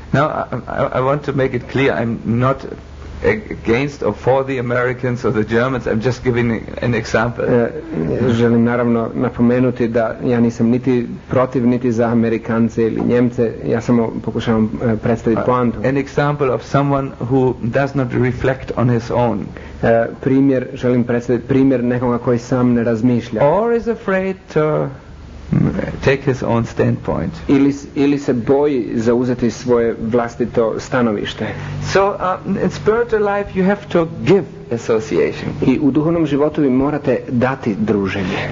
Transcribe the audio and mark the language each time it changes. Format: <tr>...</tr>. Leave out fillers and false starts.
<en>Now I want to make it clear, I'm not against or for the Americans or the Germans, I'm just giving an example.</en> <hr>Želim naravno napomenuti da ja nisam niti protiv niti za Amerikance ili Njemce, ja samo pokušavam predstaviti poantu.</hr> <en>An example of someone who does not reflect on his own.</en> <hr>Primjer, želim predstaviti primjer nekoga koji sam ne razmišlja.</hr> <en>Or is afraid to take his own standpoint.</en> <hr>Ili se boji zauzeti svoje vlastito stanovište.</hr> <en>So in spiritual life you have to give association.</en> <hr>I u duhovnom životu vi morate dati druženje.</hr>